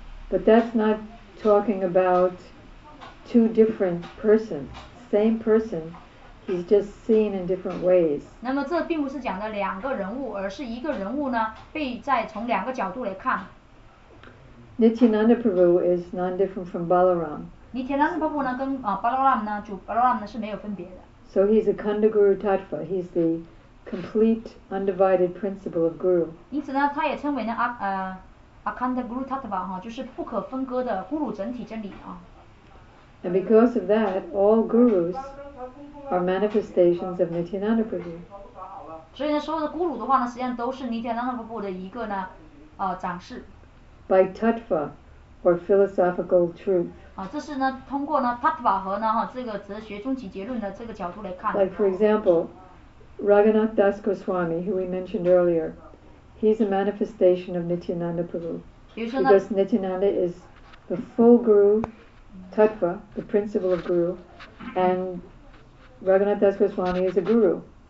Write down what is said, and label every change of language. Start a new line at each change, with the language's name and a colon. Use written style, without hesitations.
English: But that's not talking about two different persons, same person, he's just seen in different ways.
Chinese: 那么这并不是讲的两个人物，而是一个人物呢被在从两个角度来看。
English: Nityananda Prabhu is non different from Balaram.
Chinese: Nityananda Prabhu 呢跟啊 Balaram 呢主 Balaram 呢是没有分别的。
English: So he's a Khanda Guru Tattva. He's the complete, undivided principle of Guru.
Chinese: 因此呢，他也称为呢Akhanda Guru Tattva 哈，就是不可分割的 Guru 整体真理啊。
English: And because of that, all Gurus are manifestations of Nityananda Prabhu.
Chinese: 所以呢，所有的 Guru 的话呢，实际上都是 Nityananda Prabhu 的一个呢，展示。
English: By Tattva, or philosophical truth.
Chinese: 啊，这是呢，通过呢 Tattva 和呢哈这个哲学终极结论的这个角度来看。
English: Like for example, Raghunath Das Goswami, who we mentioned earlier. He's a manifestation of Nityananda Prabhu. Because Nityananda is the full Guru, Tattva, the principle of Guru, and Raghunath Das Goswami is a Guru.